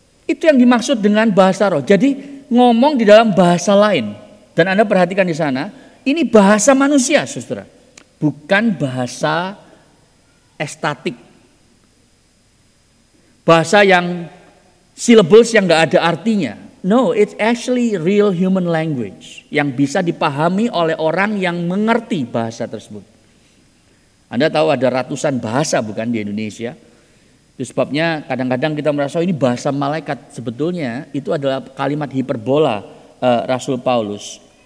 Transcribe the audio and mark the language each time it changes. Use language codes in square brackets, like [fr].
[id] Itu yang dimaksud dengan bahasa roh. Jadi ngomong di dalam bahasa lain. Dan Anda perhatikan di sana, ini bahasa manusia, saudara. Bukan bahasa estatik. Bahasa yang syllables yang gak ada artinya. [en] No, it's actually real human language. [id] Yang bisa dipahami oleh orang yang mengerti bahasa tersebut. Anda tahu ada ratusan bahasa, bukan, di Indonesia. Itu sebabnya kadang-kadang kita merasa ini bahasa malaikat. Sebetulnya itu adalah kalimat hiperbola Rasul Paulus.